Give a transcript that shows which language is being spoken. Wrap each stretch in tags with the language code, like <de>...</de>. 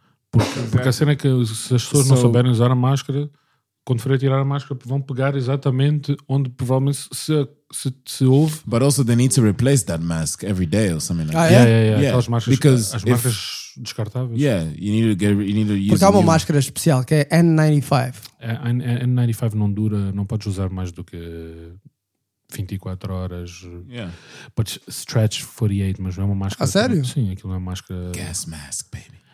<pt>Porque a cena é que se as pessoas não souberem usar a máscara, quando forem tirar a máscara vão pegar exatamente onde provavelmente se houve.</pt> <en>But also they need to replace that mask every day or something like that.</en> <pt>yeah. Aquelas máscaras, máscaras descartáveis.</pt> <en>Yeah, you need to use.</en> <pt>Porque há uma máscara especial que é N95. N95 não dura, não podes usar mais do que 24 horas.</pt> <en>Yeah.</en> <pt>Podes stretch 48, mas não é uma máscara. Ah, sério? Sim, aquilo é uma máscara.</pt> <en>Gas mask, baby.</en>